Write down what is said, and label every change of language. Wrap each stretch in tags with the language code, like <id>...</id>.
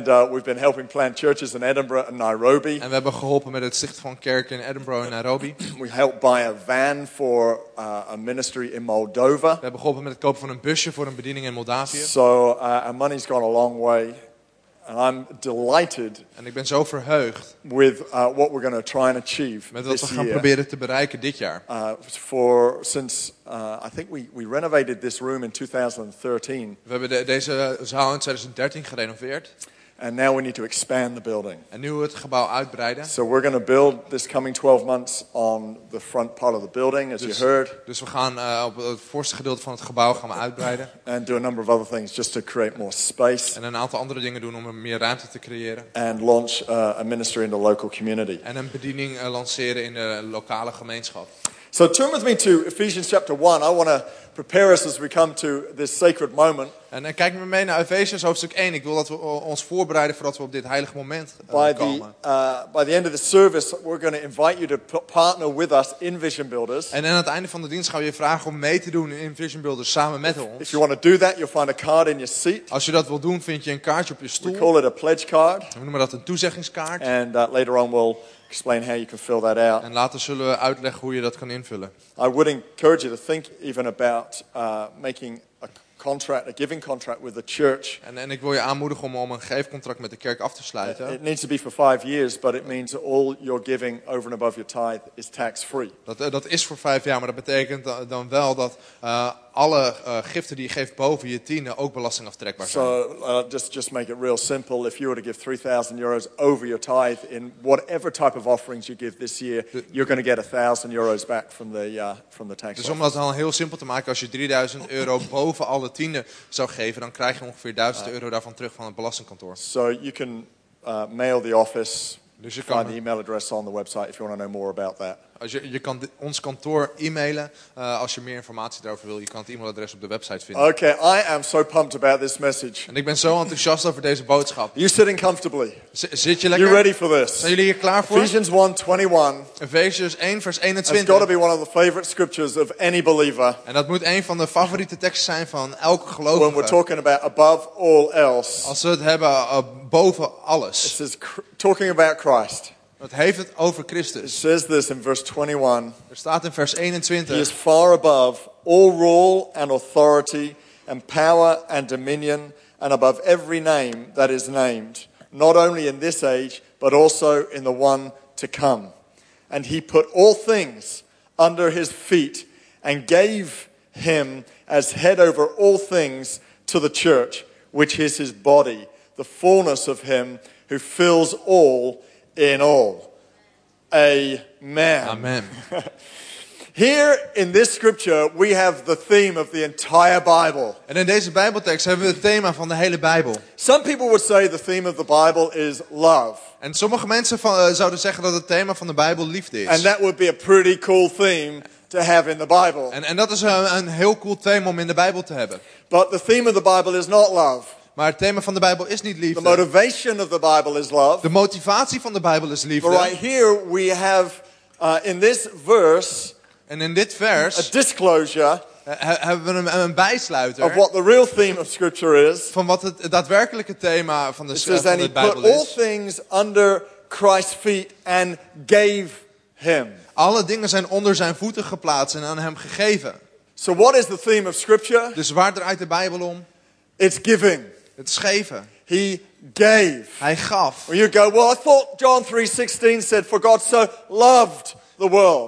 <en>We've been helping plant churches in Edinburgh and Nairobi.</en> <nl>En we hebben geholpen met het stichten van kerken in Edinburgh en Nairobi.</nl> <en>We helped buy a van for a ministry in Moldova.</en> <nl>We hebben geholpen met het kopen van een busje voor een bediening in Moldavië.</nl> <en>So our money's gone a long way, and I'm delighted.</en> <nl>En ik ben zo verheugd</nl> <en>with what we're going to try and achieve.</en> <nl>Met wat we gaan proberen te bereiken dit jaar.</nl> <en>I think we renovated this room in 2013.</en> <nl>We hebben deze zaal in 2013 gerenoveerd.</nl> <en>And now we need to expand the building.</en> <nl>En nu het gebouw uitbreiden.</nl> <en>So we're going to build this coming 12 months on the front part of the building, as you heard.</en> <nl>Dus we gaan op het voorste gedeelte van het gebouw gaan we uitbreiden.</nl> <en>And do a number of other things just to create more space.</en> <nl>En een aantal andere dingen doen om meer ruimte te creëren.</nl> <en>And launch a ministry in the local community.</en> <nl>En een bediening lanceren in de lokale gemeenschap.</nl> <en>So turn with me to Ephesians chapter 1. I want to prepare us as we come to this sacred moment.</en> <nl>En kijk me mee naar Ephesians hoofdstuk 1. Ik wil dat we ons voorbereiden voordat we op dit heilige moment komen.</nl> <en>By the end of the service, we're going to invite you to partner with us in Vision Builders.</en> <nl>En aan het einde van de dienst gaan we je vragen om mee te doen in Vision Builders samen met ons.</nl> <en>If you want to do that, you'll find a card in your seat.</en> <nl>Als je dat wil doen, vind je een kaartje op je stoel.</nl> <en>We call it a pledge card.</en> <nl>We noemen dat een toezeggingskaart.</nl> <en>And later on we'll explain how you can fill that out.</en> <nl>En later zullen we uitleggen hoe je dat kan invullen.</nl> <en>I would encourage you to think even about making a contract, a giving contract with the church.</en> <nl>En ik wil je aanmoedigen om een geefcontract met de kerk af te sluiten.</nl> <en>It needs to be for 5 years, but it means all your giving over and above your tithe is tax-free.</en> <nl>Dat is voor 5 jaar, maar dat betekent dan wel dat alle giften die je geeft boven je tiende ook belastingaftrekbaar zijn.</nl> <en>So just make it real simple. If you were to give €3,000 over your tithe in whatever type of offerings you give this year, you're going to get €1,000 back from the tax.</en> <nl>Dus om dat dan heel simpel te maken, als je €3,000 boven alle tiende zou geven, dan krijg je ongeveer €1,000 daarvan terug van het belastingkantoor.</nl> <en>So you can mail the office.</en> <nl>Dus je kan</nl> <en>find the email address on the website if you want to know more about that.</en> <nl>Je kan ons kantoor e-mailen als je meer informatie daarover wil. Je kan het e-mailadres op de website vinden.</nl> <en>Okay, I am so pumped about this message.</en> <nl>En ik ben zo enthousiast over deze boodschap.</nl> <en>You sitting comfortably?</en> <nl>Zit je lekker?</nl> <en>You ready for this?</en> <nl>Zijn jullie hier klaar voor?</nl> <en>Ephesians 1:21.</en> <nl>Efeziërs 1 vers 21.</nl> <en>It's got to be one of the favorite scriptures of any believer.</en> <nl>En dat moet een van de favoriete teksten zijn van elke gelovige.</nl> <en>When we're talking about above all else.</en> <nl>Als we het hebben boven alles.</nl> <en>It says talking about Christ.</en> <nl>Het heeft het over Christus.</nl> <en>It says this in verse 21.</en> <nl>Er staat in vers 21.</nl> <en>He is far above all rule and authority and power and dominion and above every name that is named, not only in this age, but also in the one to come. And he put all things under his feet and gave him as head over all things to the church, which is his body, the fullness of him who fills all in all. Amen.</en> <nl>Amen.</nl> <en>Here in this scripture we have the theme of the entire Bible.</en> <nl>En in deze Bijbeltekst hebben we het thema van de hele Bijbel.</nl> <en>Some people would say the theme of the Bible is love.</en> <nl>En sommige mensen zouden zeggen dat het thema van de Bijbel liefde is.</nl> <en>And that would be a pretty cool theme to have in the Bible.</en> <nl>En dat is een heel cool thema om in de Bijbel te hebben.</nl> <en>But the theme of the Bible is not love.</en> <nl>Maar het thema van de Bijbel is niet liefde.</nl> <en>The motivation of the Bible is love.</en> <nl>De motivatie van de Bijbel is liefde.</nl> <en>But right here we have in this verse.</en> <nl>En in dit vers.</nl> <en>A disclosure.</en> <nl>Hebben we een bijsluiter.</nl> <en>Of what the real theme of scripture is.</en> <nl>Van wat het daadwerkelijke thema van de Bijbel is.</nl> <en>It says that he put all things under Christ's feet and gave him.</en> <nl>Alle dingen zijn onder zijn voeten geplaatst en aan hem gegeven.</nl> <en>So what is the theme of scripture?</en> <nl>Dus waar draait de Bijbel om?</nl> <en>It's giving.</en> <nl>Het is geven.</nl> <en>He gave.</en> <nl>Hij gaf.</nl> <en>Or you go, well, I thought John 3:16 said, for God so loved the world.</en>